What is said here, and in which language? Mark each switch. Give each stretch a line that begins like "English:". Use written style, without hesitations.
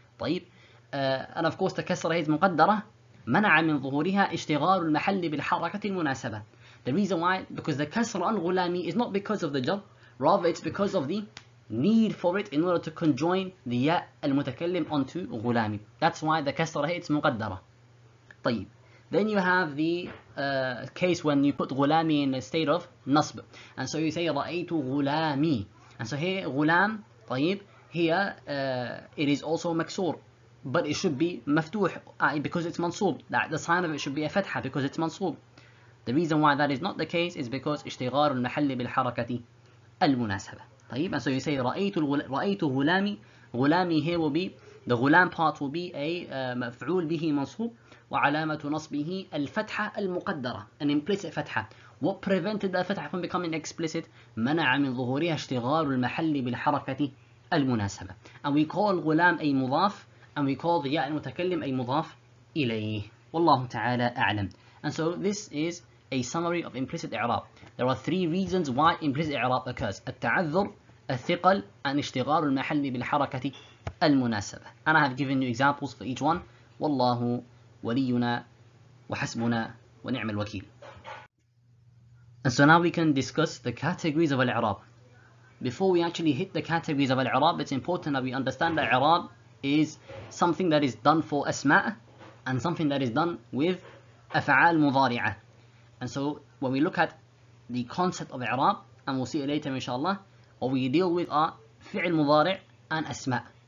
Arabic: طيب
English: and of course the kasra is
Arabic: مقدرة منع من ظهورها اشتغال المحل بالحركة المناسبة.
English: The reason why, because the kasra on غلامي is not because of the jar, rather it's because of the need for it in order to conjoin the ya المتكلم onto غلامي. That's why the
Arabic: كسرة هي
English: it's مقدرة. طيب. Then you have the case when you put غلامي in a state of نصب. And so you say رأيت غلامي. And so here غلام طيب here it is also مكسور. But it should be مفتوح because it's منصوب. The sign of it should be a فتحة because it's منصوب. The reason why that is not the case is because
Arabic: اشتغال المحل بالحركة المناسبة.
English: طيب. And so you say رأيت غلامي. غلامي here will be the غلام part will be a
Arabic: مفعول به منصوب. وعلامة نصبه الفتحة المقدرة
English: an implicit
Arabic: فتحة.
English: What prevented the فتحة from becoming explicit?
Arabic: منع من ظهورها اشتغال المحل بالحركة المناسبة.
English: And we call غلام
Arabic: أي مضاف
English: and we call the
Arabic: ياء المتكلم أي مضاف إليه. والله تعالى أعلم.
English: And so this is a summary of implicit إعراب. There are three reasons why implicit إعراب occurs.
Arabic: التعذر, الثقل, and اشتغال المحل بالحركة المناسبة.
English: And I have given you examples for each one.
Arabic: والله ولينا وحسبنا ونعم الوكيل.
English: And so now we can discuss the categories of al-i'rab. Before we actually hit the categories of al-i'rab, it's important that we understand that al-i'rab is something that is done for asma' and something that is done with af'al mudari'ah. And so when we look at the concept of al-i'rab, and we'll see it later inshallah, what we deal with are fi'l mudari' and asma'.